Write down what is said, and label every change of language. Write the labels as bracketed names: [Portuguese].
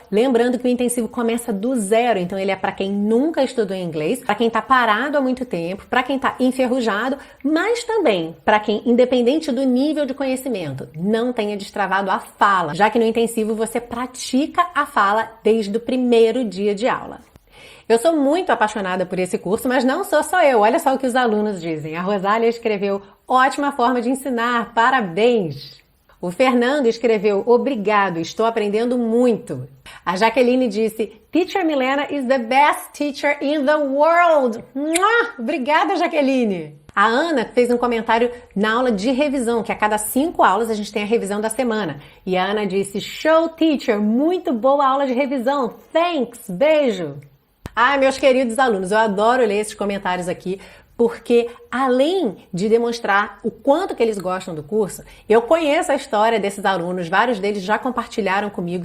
[Portuguese] Lembrando que o intensivo começa do zero, então ele é para quem nunca estudou inglês, para quem está parado há muito tempo, para quem está enferrujado, mas também para quem, independente do nível de conhecimento, não tenha destravado a fala, já que no intensivo você pratica a fala desde o primeiro dia de aula. Eu sou muito apaixonada por esse curso, mas não sou só eu. Olha só o que os alunos dizem. A Rosália escreveu, ótima forma de ensinar, parabéns! O Fernando escreveu, obrigado, estou aprendendo muito. A Jaqueline disse, [English] Teacher Milena is the best teacher in the world. [Portuguese] Mua! Obrigada, Jaqueline. A Ana fez um comentário na aula de revisão, que a cada 5 aulas a gente tem a revisão da semana. E a Ana disse, show teacher, muito boa aula de revisão. Thanks, beijo. Ai, meus queridos alunos, eu adoro ler esses comentários aqui, porque além de demonstrar o quanto que eles gostam do curso, eu conheço a história desses alunos, vários deles já compartilharam comigo.